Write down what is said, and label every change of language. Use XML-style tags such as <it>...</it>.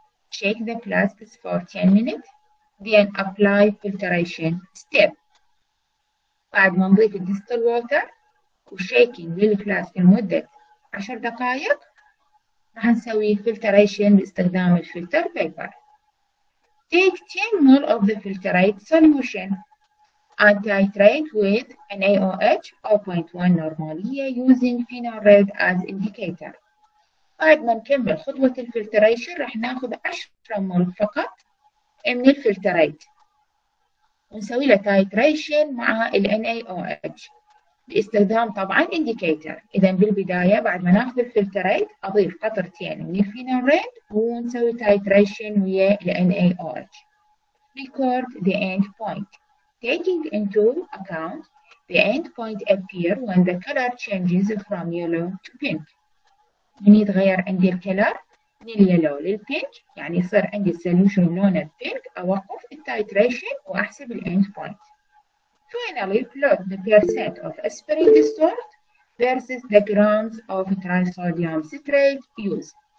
<en>Shake the flask for 10 minutes then apply filtration step.</en> <ar>بعد ما نضيف distilled water وشيكين بالفلاسك لمدة 10 دقائق راح نسوي filtration باستخدام الفلتر بيبر. Take 10 مول of the filtrate solution and titrate with an AOH 0.1 normalia using phenol red as indicator. بعد ما نكمل خطوة الفلتريشن راح ناخذ 10 مول فقط من الفلتريت ونسوي له titration مع ال NaOH. باستخدام طبعا انديكيتر. اذا بالبدايه بعد ما ناخذ الفلتريت اضيف قطرتين من الفينول ريد ونسوي تايتريشن ويا ال NaOH.</ar> <en>Record the end point. Taking into account the end point appear when the color changes from yellow to pink.</en> <ar>من يتغير عندي الكلر من اليلو للبينك يعني يصير عندي السولوشن لونه بينك اوقف التايتريشن واحسب ال end point.</ar> <en>Finally, plot the percent of aspirin dissolved versus the grams of trisodium citrate used.</en>